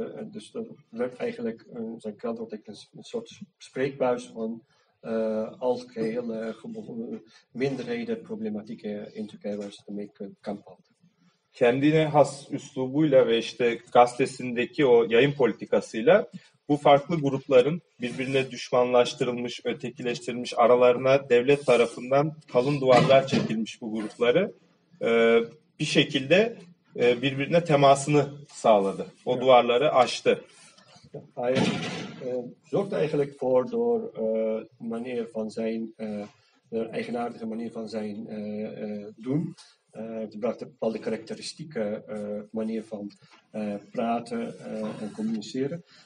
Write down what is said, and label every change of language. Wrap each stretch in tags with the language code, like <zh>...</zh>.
<nl>Dus dat werd eigenlijk zijn krant wordt een soort spreekbuis van algehele minderheden problematieken in Turkije waar ze mee kamp hadden.</nl> <tr>Kendine has üslubuyla ve işte gazetesindeki o yayın politikasıyla bu farklı grupların birbirine düşmanlaştırılmış, ötekileştirilmiş, aralarına devlet tarafından kalın duvarlar çekilmiş bu grupları bir şekilde birbirine temasını sağladı. O duvarları aştı. Hayır.</tr> <nl>Zorgt eigenlijk voor door manier van zijn eigenaardige manier van zijn doen. Het bracht een bepaalde karakteristieke manier van praten en communiceren.</nl>